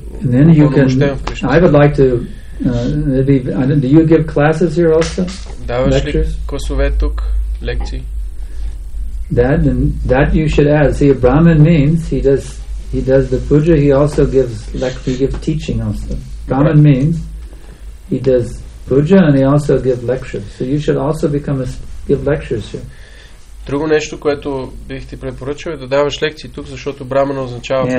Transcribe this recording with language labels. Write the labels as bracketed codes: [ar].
[en] And then you can, I would like to maybe, do you give classes here also? [bg] Даваш ли класове тук, лекции? [en] That you should add. See, a Brahmin means he does the puja, he also gives lecture, he gives teaching also. Brahmin means he does puja and he also gives lectures. So you should also become give lectures here. [bg] Друго нещо, което бих ти препоръчал, е да даваш лекции тук, защото брамана означава